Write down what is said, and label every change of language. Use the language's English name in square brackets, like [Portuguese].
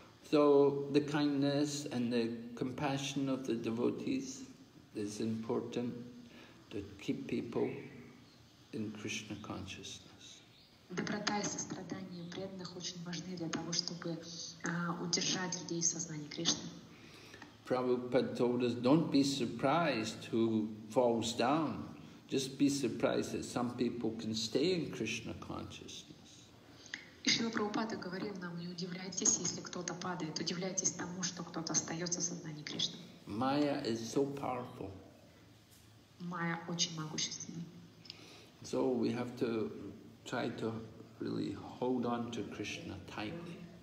[English] So the kindness and the compassion of the devotees is important to keep people in Krishna consciousness. [Russian] Доброта и сострадание преданных очень важны для того, чтобы удержать людей в сознании Кришны. [English] Prabhupada told us, don't be surprised who falls down. Just be surprised that some people can stay in Krishna consciousness. [Russian] И Шрила Прабхупада говорил нам, не удивляйтесь, если кто-то падает, удивляйтесь тому, что кто-то остается в сознании Кришны. [English] Maya is so powerful. [Russian] Майя очень могущественна. [English] So we have to try to really hold on to Krishna tightly.